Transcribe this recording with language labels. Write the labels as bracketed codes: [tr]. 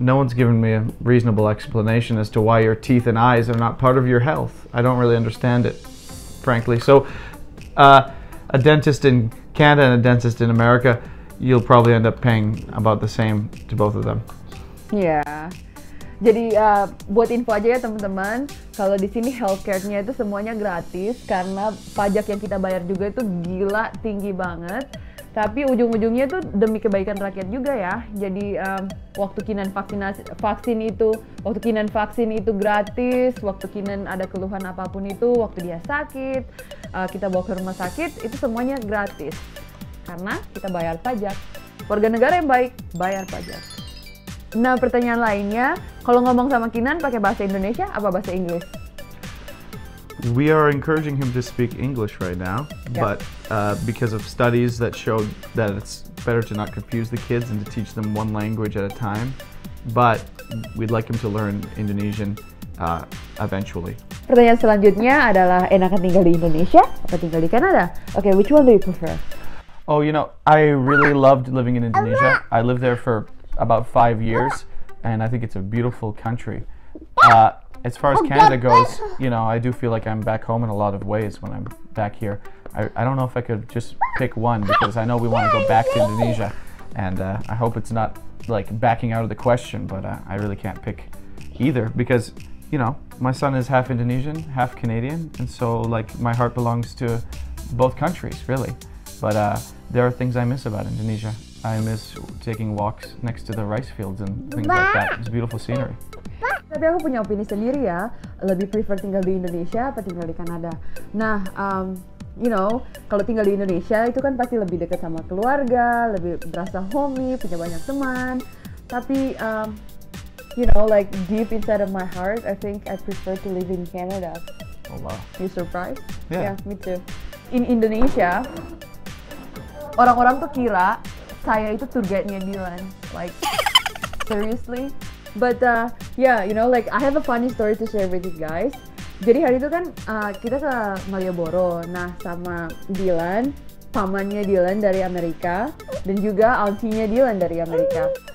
[en] No one's given me a reasonable explanation as to why your teeth and eyes are not part of your health. I don't really understand it, frankly. So a dentist in Canada and a dentist in America, you'll probably end up paying about the same to both of them. Yeah. [id] Jadi buat info aja ya teman-teman, kalau di sini healthcare-nya itu semuanya gratis karena pajak yang kita bayar juga itu gila tinggi banget. Tapi ujung-ujungnya itu demi kebaikan rakyat juga ya. Jadi waktu Kinan vaksin itu gratis, waktu Kinan ada keluhan apapun itu, waktu dia sakit, kita bawa ke rumah sakit, itu semuanya gratis. Karena kita bayar pajak. Warga negara yang baik bayar pajak. Nah, pertanyaan lainnya, kalau ngomong sama Kinan pakai bahasa Indonesia apa bahasa Inggris? [en] We are encouraging him to speak English right now, yeah. But because of studies that showed that it's better to not confuse the kids and to teach them one language at a time, but we'd like him to learn Indonesian eventually. [id] Pertanyaan selanjutnya adalah enakan tinggal di Indonesia atau tinggal di Kanada? [en] Okay, which one do you prefer? Oh, you know, I really loved living in Indonesia. I lived there for about 5 years, and I think it's a beautiful country. As far as Canada goes, you know, I do feel like I'm back home in a lot of ways when I'm back here. I don't know if I could just pick one, because I know we want to go back to Indonesia, and I hope it's not like backing out of the question, but I really can't pick either, because, you know, my son is half Indonesian, half Canadian, and so, like, my heart belongs to both countries, really. But there are things I miss about Indonesia. I miss taking walks next to the rice fields and things like that. It's beautiful scenery. [id] Tapi aku punya opini sendiri ya, lebih prefer tinggal di Indonesia apa tinggal di Kanada. Nah, [en] you know, [id] kalau tinggal di Indonesia itu kan pasti lebih dekat sama keluarga, lebih berasa homey, punya banyak teman. [en] Tapi, you know, like deep inside of my heart, I think I prefer to live in Canada. Oh wow. You surprised? Yeah. Yeah, me too. In Indonesia, orang-orang tuh kira saya itu tour guide-nya Dylan. Like, seriously? But yeah, you know, like I have a funny story to share with you guys. [id] Jadi hari itu kan kita ke Malioboro, nah sama Dylan, pamannya Dylan dari Amerika, dan juga auntie-nya Dylan dari Amerika.